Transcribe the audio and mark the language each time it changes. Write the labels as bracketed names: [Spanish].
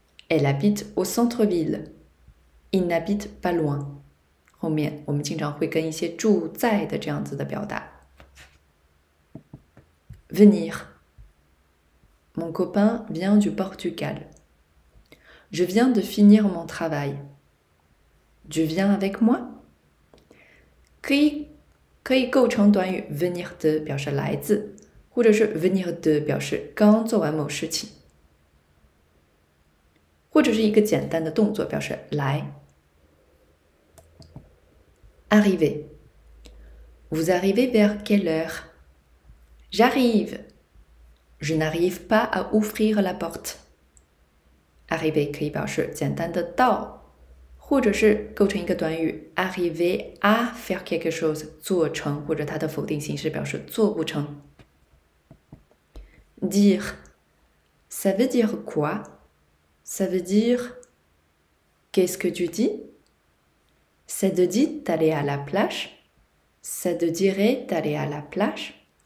[French] Elle habite au centre-ville. Il n'habite pas loin. [Chinese] 后面我们经常会跟一些住在的这样子的表达. [French] Venir. Mon copain vient du Portugal. Je viens de finir mon travail. Tu viens avec moi? [Chinese] 可以构成短语 venir de 表示来自。或者是 venir de 表示刚做完某事情， 或者是一个简单的动作表示来。 [French] Arriver. Vous arrivez vers quelle heure? J'arrive. Je n'arrive pas à ouvrir la porte. [Chinese] Arriver 可以表示简单的到， 或者是构成一个短语 [French] arriver à faire quelque chose [Chinese] 做成，或者它的否定形式表示做不成。 [French] Dire, ça veut dire quoi? Ça veut dire, qu'est-ce que tu dis? Ça te dit d'aller à la plage? Ça te dirait d'aller à la plage?